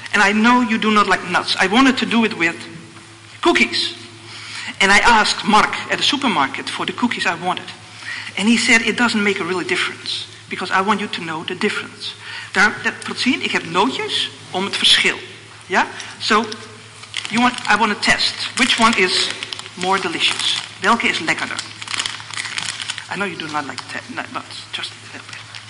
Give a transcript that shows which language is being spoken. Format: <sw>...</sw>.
<en>And I know you do not like nuts. I wanted to do it with cookies. And I asked Mark at the supermarket for the cookies I wanted. And he said, it doesn't make a really difference. Because I want you to know the difference.</en> <nl>Daar, ik heb nootjes om het verschil.</nl> <en>Ja? Yeah? So, I want to test. Which one is more delicious?</en> <nl>Welke is lekkerder?</nl> <en>I know you do not like that, but just a little bit.</en>